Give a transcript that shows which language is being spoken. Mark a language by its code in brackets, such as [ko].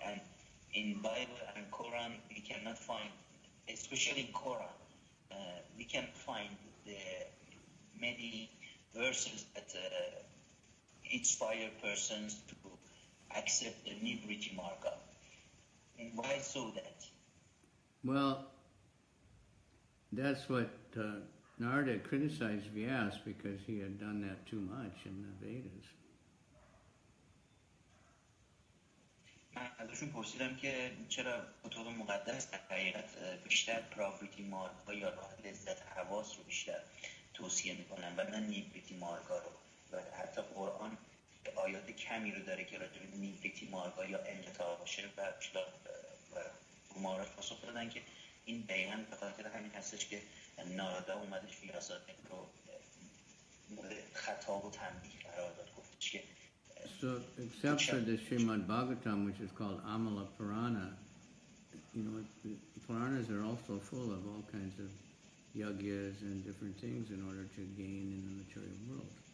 [en] And in Bible and Quran, we cannot find, especially in Quran, we can find the many verses that inspire persons to accept the Nivriti Marga. Why so that? Well, that's what Narada criticized Vyas, because he had done that too much in the Vedas. [fa] ازشون پرسیدم که چرا کتاب مقدس در حقیقت بیشتر پراوریتی مارکا یا لذت حواس رو بیشتر توصیه میکنن و نه نیبریتی مارکا رو، و حتی قرآن آیات کمی رو داره که راجب نیبریتی مارکا یا انقطاع باشه. و شلا و مارش پاسخ دادن که این بیان به خاطر همین هستش که نارادا اومدش فیلسوفی رو مورد خطاب و تنبیه قرار داد، گفتش که [en] so except for the Srimad Bhagavatam, which is called Amala Purana, you know, the Puranas are also full of all kinds of yajnas and different things in order to gain in the material world.